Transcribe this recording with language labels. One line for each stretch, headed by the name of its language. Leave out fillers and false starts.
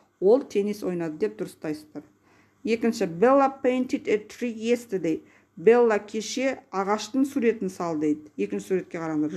Kazakh: Ол теннис ойнады деп дұрыстайсыздар. Екінші,
English: Bella painted a tree yesterday.
Kazakh: Bella кеше ағаштың суретін салды дейді. Екінші суретке қараңдар.